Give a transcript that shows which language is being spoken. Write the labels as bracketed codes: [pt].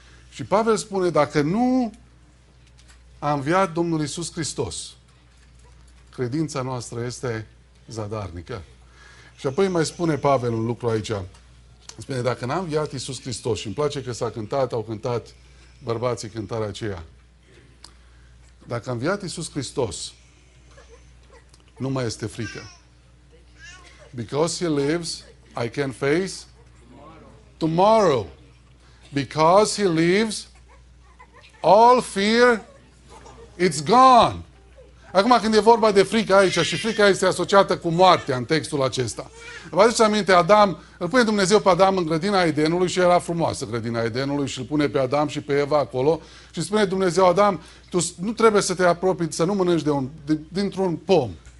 [ro] Și Pavel spune, dacă nu a înviat Domnul Iisus Hristos, credința noastră este zadarnică. Și apoi mai spune Pavel un lucru aici. Spune, dacă n-a înviat Iisus Hristos, și îmi place că au cântat bărbații cântarea aceea, dacă a înviat Iisus Hristos, nu mai este frică. [en] Because He lives, I can face tomorrow. Because He lives, all fear, it's gone. [ro] Acum când e vorba de frică aici și frica este asociată cu moartea în textul acesta. Vă aduceți aminte, Adam, îl pune Dumnezeu pe Adam în grădina Edenului și era frumoasă grădina Edenului și îl pune pe Adam și pe Eva acolo și spune Dumnezeu, Adam, tu nu trebuie să te apropii, să nu mănânci dintr-un pom.